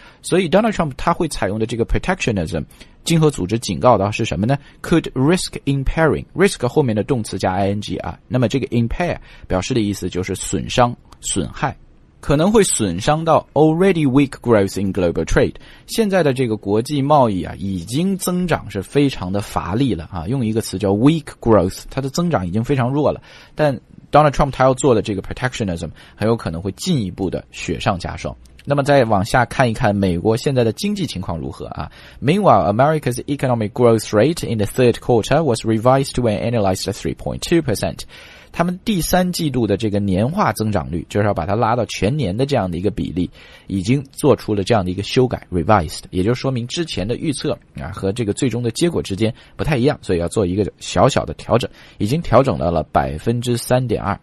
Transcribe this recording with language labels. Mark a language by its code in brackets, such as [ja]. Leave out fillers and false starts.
[zh] 所以 Donald Trump 他会采用的这个 protectionism。经合组织警告到是什么呢 ? [en] could risk impairing, [zh] risk 后面的动词加 ing 啊，那么这个 impair 表示的意思就是损伤损害，可能会损伤到 [en] already weak growth in global trade, [zh] 现在的这个国际贸易啊已经增长是非常的乏力了啊，用一个词叫 weak growth, 它的增长已经非常弱了，但 Donald Trump 他要做的这个 protectionism 很有可能会进一步的雪上加霜。那么再往下看一看美国现在的经济情况如何啊。 [en] Meanwhile, America's economic growth rate in the third quarter was revised when analyzed at 3.2%. [zh] 他们第三季度的这个年化增长率，就是要把它拉到全年的这样的一个比例，已经做出了这样的一个修改 ,revised, 也就说明之前的预测啊和这个最终的结果之间不太一样，所以要做一个小小的调整，已经调整到了 3.2%。